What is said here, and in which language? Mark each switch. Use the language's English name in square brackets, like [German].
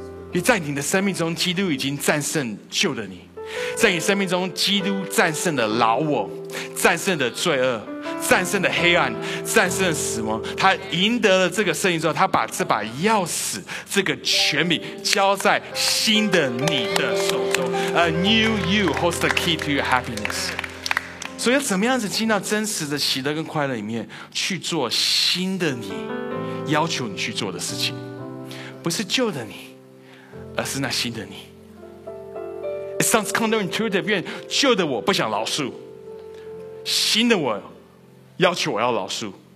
[Chinese] 因为在你的生命中，基督已经战胜旧的你，在你生命中，基督战胜了老我，战胜了罪恶，战胜了黑暗，战胜了死亡。他赢得了这个胜利之后，他把这把钥匙，这个权柄交在新的你的手中。 [English] A new you holds the key to your happiness。 [Chinese] 所以要怎么样子进到真实的喜乐跟快乐里面，去做新的你要求你去做的事情，不是旧的你，而是那新的你。 [English] It sounds counterintuitive， [Chinese] 因为旧的我不想饶恕，新的我要求我要饶恕。